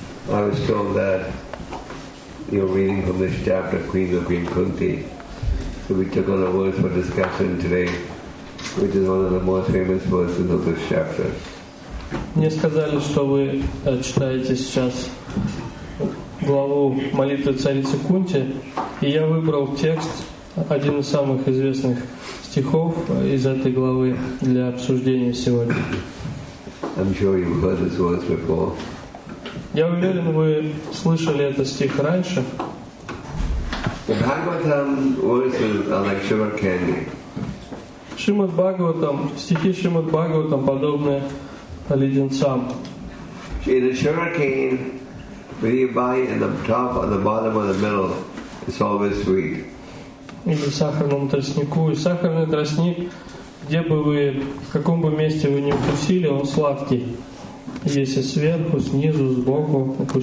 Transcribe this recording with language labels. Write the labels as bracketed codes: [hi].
[en] I was told that you're reading from this chapter, Queen of Queen Kunti. So we took on a verse for discussion today, which is one of the most famous verses of this chapter. [ru] Мне сказали, что вы читаете сейчас главу молитвы царицы Кунти, и я выбрал текст, один из самых известных стихов из этой главы для обсуждения сегодня. [en] I'm sure you've heard this verse before. [ru] Я уверен, вы слышали этот стих раньше. [en] The Bhagavatam verses are like sugar candy. [ru] Шримад Бхагаватам, стихи Шримад Бхагаватам подобны леденцам. [en] In a sugar cane, when you buy it in the top or the bottom or the middle, it's always sweet. [ru] Или сахарному тростнику. И сахарный тростник, где бы вы, в каком бы месте вы ни вкусили, он сладкий. Если сверху, снизу, сбоку,